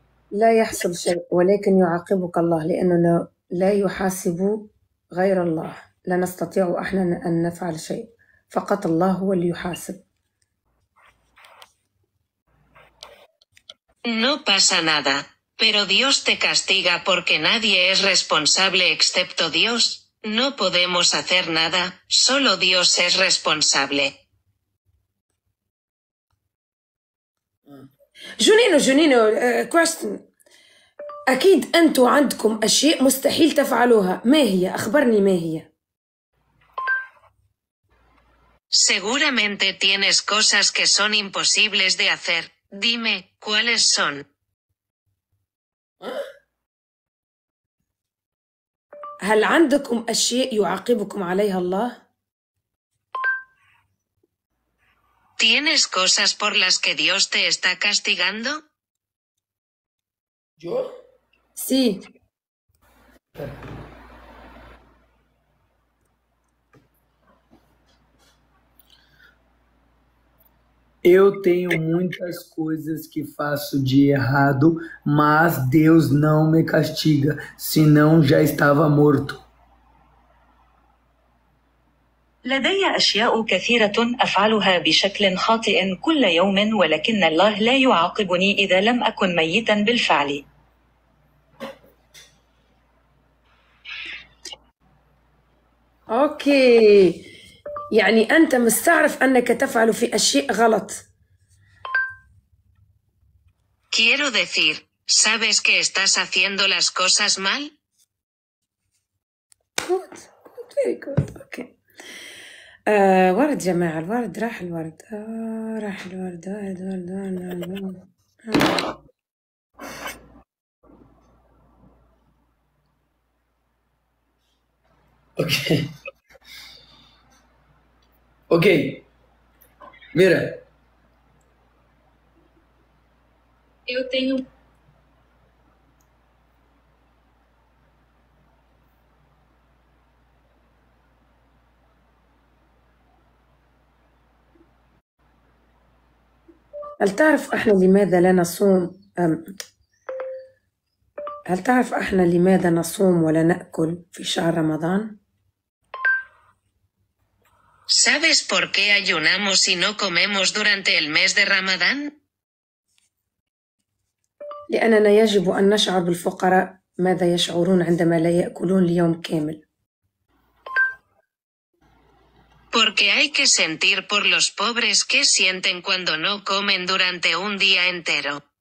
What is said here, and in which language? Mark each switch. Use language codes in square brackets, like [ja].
[ar] لا يحصل شيء ولكن يعاقبك الله لاننا لا يحاسب غير الله لا نستطيع احنا ان نفعل شيء فقط الله هو اللي يحاسب. [es] No pasa nada, pero Dios te castiga porque nadie es responsable excepto Dios. No podemos hacer nada, solo Dios es responsable. [en] Junino, question. [ar] أكيد أنتم عندكم أشياء مستحيل تفعلوها. ما هي؟ أخبرني ما هي. [es] Seguramente tienes cosas que son imposibles de hacer. Dime, ¿cuáles son? [ar] هل عندكم أشياء يعاقبكم عليها الله؟ [es] ¿Tienes cosas por las que Dios te está castigando? ¿Yo? Sí. [pt] Eu tenho muitas coisas que faço de errado, mas Deus não me castiga, senão já estava morto. [ar] لدي أشياء كثيرة أفعلها بشكل خاطئ كل يوم ولكن الله لا يعاقبني إذا لم أكن ميتا بالفعل. أوكي. يعني أنت مستعرف أنك تفعل في أشياء غلط. [es] Quiero decir, ¿sabes que estás haciendo las cosas mal? [en] Good, good, very good, okay. Ward, [ar] جماعة, الورد راح الورد. راح الورد, واحد, ورد, ورد, ورد, ورد. [es] Ok. Mira. [pt] Eu tenho. [ar] هل تعرف احنا لماذا لا نصوم؟ هل تعرف احنا لماذا نصوم ولا نأكل في شهر رمضان؟ [es] ¿Sabes por qué ayunamos y no comemos durante el mes de Ramadán? [ar] لأننا يجب أن نشعر بالفقراء ماذا يشعرون عندما لا يأكلون ليوم كامل. [es] Porque hay que sentir por los pobres qué sienten cuando no comen durante un día entero.